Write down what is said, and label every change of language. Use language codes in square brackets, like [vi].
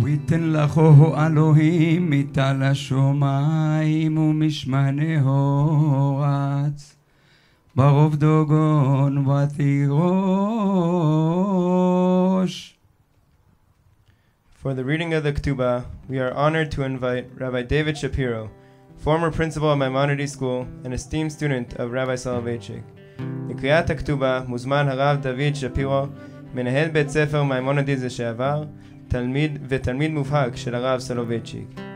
[he] תן לכו אלוהים מטל השומיים ומשמני הורץ ברוב דוגון ותירוש [en] For the reading of the Ketubah, we are honored to invite Rabbi David Shapiro, former principal of Maimonides School and esteemed student of Rabbi Soloveitchik. [he] לקריאת הכתובה מוזמן הרב דוד שפירו, מנהל בית ספר מיימונדיז לשעבר, תלמיד ותלמיד מובהק של הרב סולובייצ'יק.